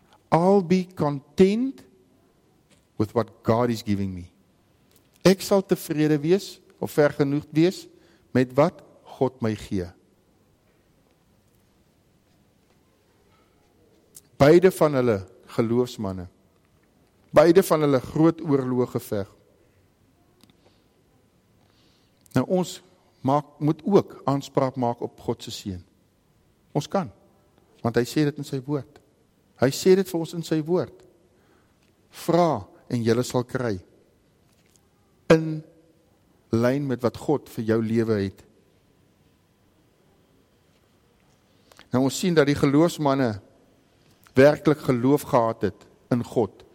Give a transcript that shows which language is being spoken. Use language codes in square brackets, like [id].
[en] I'll be content with what God is giving me. [af] Ek sal tevrede wees of vergenoeg wees met wat God my gee. Beide van hulle geloofsmanne. Beide van hulle groot oorlog geveg. Nou ons moet ook aanspraak maak op God se seën. Ons kan. Want hy sê dit in sy woord. Hy sê dit vir ons in sy woord. Vra en jy sal kry. In lyn met wat God vir jou lewe het. Nou ons sien dat die geloofsmanne werklik geloof gehad het in God.